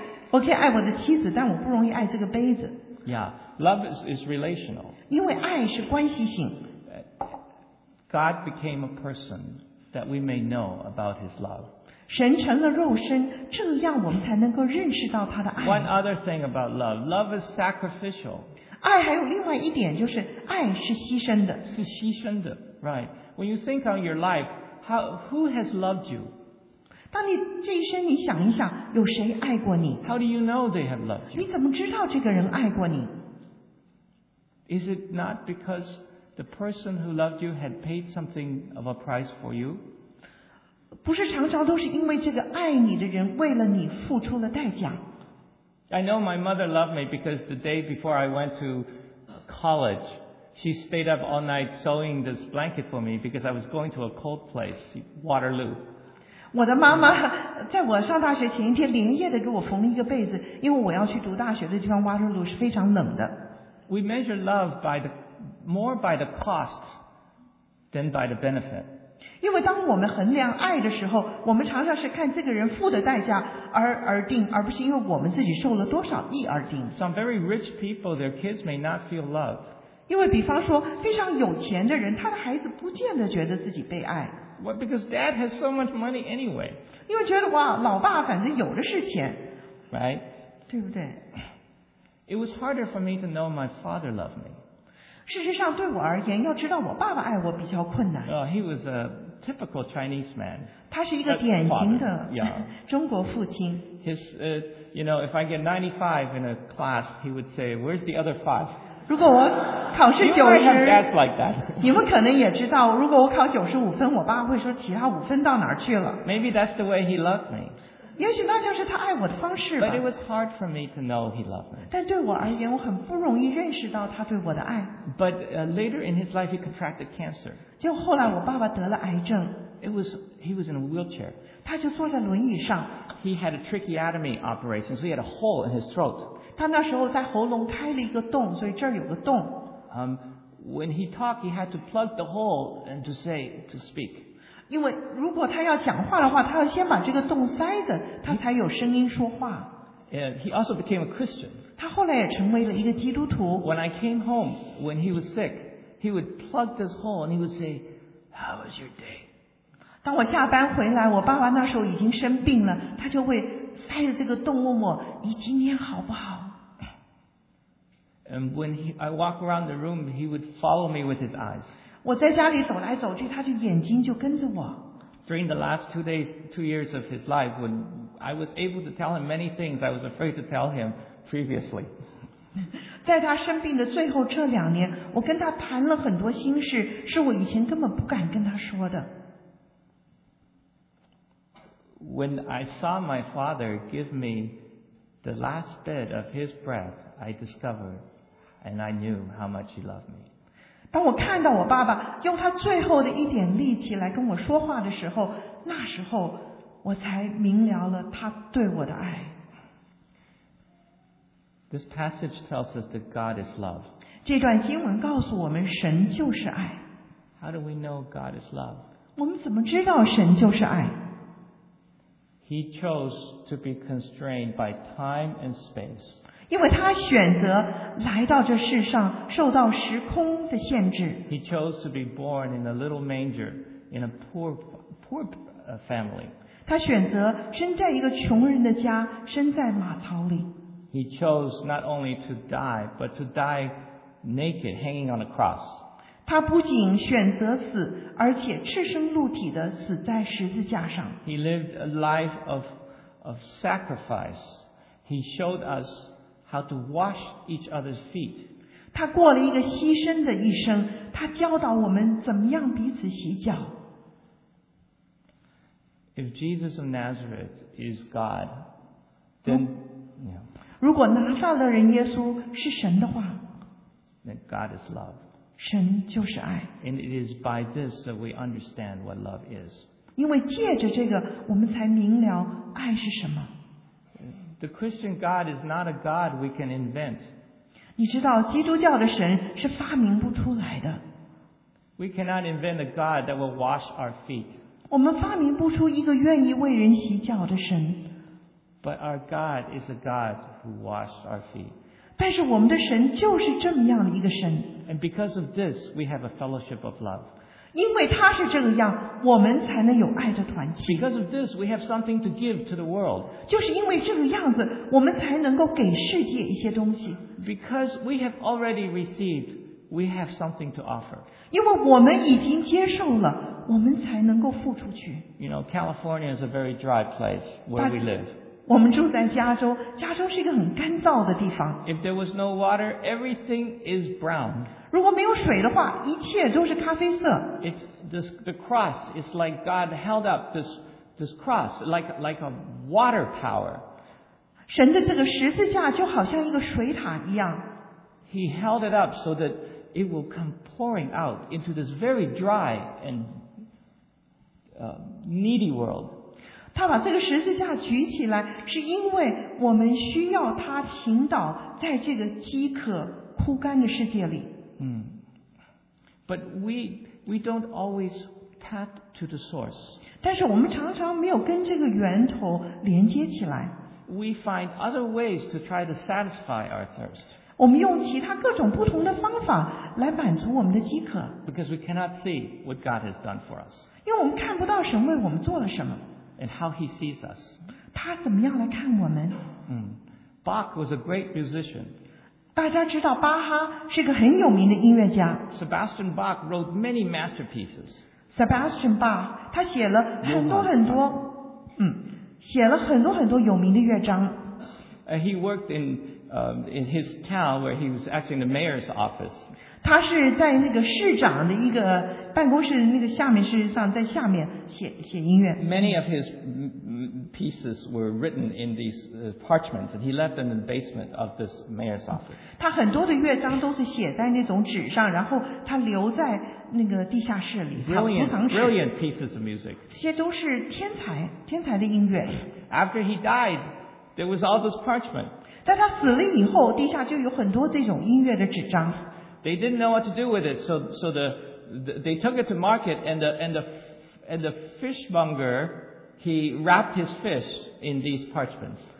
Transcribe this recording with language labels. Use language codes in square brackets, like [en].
[zh] 我可以爱我的妻子，但我不容易爱这个杯子。 [en] Yeah, love is relational. [zh] 因为爱是关系性。 [en] God became a person that we may know about His love. [zh] 神成了肉身，这样我们才能够认识到他的爱。 [en] One other thing about love, love is sacrificial. [zh] 爱还有另外一点就是爱是牺牲的。是牺牲的 ， [en] right? When you think on your life, who has loved you? [zh] 当你这一生你想一想，有谁爱过你？ [en] How do you know they have loved you? [zh] 你怎么知道这个人爱过你？ [en] Is it not because the person who loved you had paid something of a price for you? [zh] 不是常常都是因为这个爱你的人为了你付出了代价？ [en] I know my mother loved me because the day before I went to college, she stayed up all night sewing this blanket for me because I was going to a cold place, Waterloo. [zh] 我的妈妈在我上大学前一天连夜的给我缝了一个被子，因为我要去读大学的地方 Waterloo 是非常冷的。 [en] We measure love by the more by the cost than by the benefit. [zh] 因为当我们衡量爱的时候，我们常常是看这个人付的代价而定，而不是因为我们自己受了多少益而定。 [en] Some very rich people, their kids may not feel loved. [zh] 因为比方说非常有钱的人，他的孩子不见得觉得自己被爱。 [en] What? Because dad has so much money anyway. [zh] 因为觉得哇，老爸反正有的是钱。 [en] Right? [zh] 对不对？ [en] It was harder for me to know my father loved me. [zh] 事实上对我而言，要知道我爸爸爱我比较困难。 [en] He was a typical Chinese man. [zh] 他是一个典型的 [en] yeah. [zh] 中国父亲。 [en] His, you know, if I get 95 in a class, he would say, where's the other five? [zh] 如果我考试九十，你们可能也知道，如果我考九十五分，我爸会说其他五分到哪儿去了。 [en] Maybe that's the way he loved me. [zh] 也许那就是他爱我的方式吧。 [en] But it was hard for me to know he loved me. [zh] 但对我而言，我很不容易认识到他对我的爱。 [en] But later in his life, he contracted cancer. [zh] 就后来我爸爸得了癌症。 [en] He was in a wheelchair. [zh] 他就坐在轮椅上。 [en] He had a tracheotomy operation, so he had a hole in his throat. [zh] 他那时候在喉咙开了一个洞，所以这儿有个洞。 [en] When he talked, he had to plug the hole and to say to speak. [zh] 因为如果他要讲话的话，他要先把这个洞塞着，他才有声音说话。 [en] He also became a Christian. [zh] 他后来也成为了一个基督徒。 [en] When I came home, when he was sick, he would plug this hole and he would say, "How was your day?" [zh] 当我下班回来，我爸爸那时候已经生病了，他就会。塞着这个洞问我你今天好不好 [en] And when I walk around the room he would follow me with his eyes [zh] 我在家里走来走去他就眼睛就跟着我 [en] During the last two years of his life when I was able to tell him many things I was afraid to tell him previously [zh] 在他生病的最后这两年，我跟他谈了很多心事，是我以前根本不敢跟他说的。 [en] When I saw my father give me the last bit of his breath, I discovered and I knew how much he loved me. [zh] 当我看到我爸爸用他最后的一点力气来跟我说话的时候，那时候我才明了了他对我的爱。 [en] This passage tells us that God is love. [zh] 这段经文告诉我们神就是爱。 [en] How do we know God is love? [zh] 我们怎么知道神就是爱？ [en] He chose to be constrained by time and space. [zh] 因为他选择来到这世上，受到时空的限制。 [en] He chose to be born in a little manger in a poor family. [zh] 他选择生在一个穷人的家，生在马槽里。 [en] He chose not only to die, but to die naked, hanging on a cross. [zh] 他不仅选择死，而且赤身露体的死在十字架上。 [en] He lived a life of sacrifice. He showed us how to wash each other's feet. [zh] 他过了一个牺牲的一生，他教导我们怎么样彼此洗脚。 [en] If Jesus of Nazareth is God, then、 [zh] 如果拿撒勒人耶稣是神的话， [en] then God is love. [zh] 神就是爱。 [en] And it is by this that we understand what love is. [zh] 因为借着这个我们才明了爱是什么。 [en] The Christian God is not a God we can invent. [zh] 你知道基督教的神是发明不出来的。 [en] We cannot invent a God that will wash our feet. [zh] 我们发明不出一个愿意为人洗脚的神。 [en] But our God is a God who washed our feet. [zh] 但是我们的神就是这么样的一个神。 [en] And because of this, we have a fellowship of love. [zh] 因为他是这个样，我们才能有爱的团契。 [en] Because of this, we have something to give to the world. [zh] 就是因为这个样子，我们才能够给世界一些东西。 [en] Because we have already received, we have something to offer. [zh] 因为我们已经接受了，我们才能够付出去。 [en] You know, California is a very dry place where we live. [zh] 我们住在加州，加州是一个很干燥的地方。 [en] If there was no water, everything is brown. [zh] 如果没有水的话，一切都是咖啡色。 [en] The cross is like God held up this cross like a water tower. [zh] 神的这个十字架就好像一个水塔一样。 [en] He held it up so that it will come pouring out into this very dry and needy world. [zh] 他把这个十字架举起来，是因为我们需要他倾倒在这个饥渴枯干的世界里。 [en] But we don't always tap to the source. [zh] 但是我们常常没有跟这个源头连接起来。 [en] We find other ways to try to satisfy our thirst. [zh] 我们用其他各种不同的方法来满足我们的饥渴。 [en] Because we cannot see what God has done for us. [zh] 因为我们看不到神为我们做了什么。 [en] And how he sees us. [zh] 他怎么样来看我们？ [en] Bach was a great musician. [zh] 大家知道巴哈是个很有名的音乐家。 [en] Sebastian Bach wrote many masterpieces. [zh] Sebastian Bach, 他写了很多很多， [en] Johann. [zh] 写了很多很多有名的乐章。 [en] He worked in his town where he was actually in the mayor's office. [zh] 他是在那个市长的一个办公室那个下面，事实上在下面写音乐。 [en] Many of his pieces were written in these parchments, and he left them in the basement of this mayor's office. [zh] 他很多的乐章都是写在那种纸上，然后他留在那个地下室里， [en] brilliant, [zh] 他储 [en] brilliant pieces of music. [zh] 这些都是天才的音乐。 [en] After he died, there was all this parchment. [zh] 在他死了以后，地下就有很多这种音乐的纸张。 [en] They didn't know what to do with it, so they took it to market, and the fishmonger, he wrapped his fish in these parchments.